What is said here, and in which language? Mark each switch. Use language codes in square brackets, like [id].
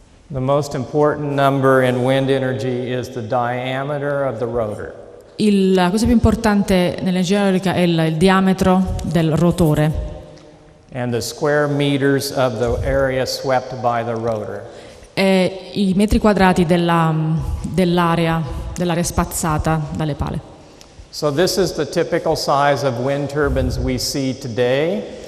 [en] The most important number in wind energy is the diameter of the rotor. [it] La cosa più importante nell'energia eolica è il diametro del rotore. [en] And the square meters of the area swept by the rotor. [it] E i metri quadrati dell'area spazzata dalle pale. [en] So this is the typical size of wind turbines we see today.